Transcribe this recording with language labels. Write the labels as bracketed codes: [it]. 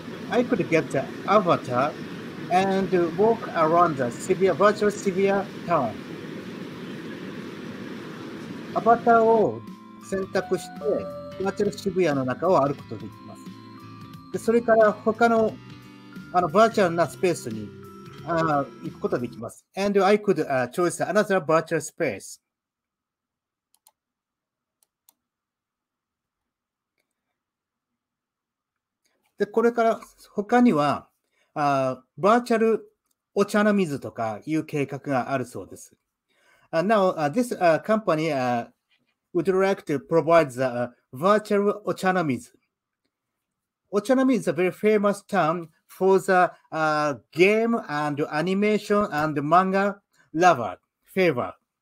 [en] I could get the avatar and walk around the Shibuya, virtual Shibuya town. [ja] アバターを選択して、バーチャル渋谷の中を歩くことができます。でそれから他 の, あのバーチャルなスペースに行くことができます。 [en] And I could choose another virtual space. [ja] でこれから他には、バーチャルお茶の水とかいう計画があるそうです。 [en] Now, this company would like to provide the virtual お茶の水。お茶の水 is a very famous term for the game and animation and manga lover, favor.